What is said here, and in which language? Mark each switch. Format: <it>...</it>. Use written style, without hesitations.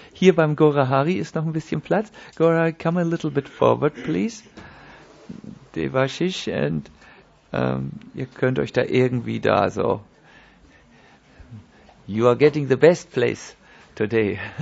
<de>Hier beim Gorahari ist noch ein bisschen Platz.</de> <en>Gorahari, come a little bit forward, please.</en> <de>Devashish, and ihr könnt euch da irgendwie da so.</de> <en>You are getting the best place today.</en>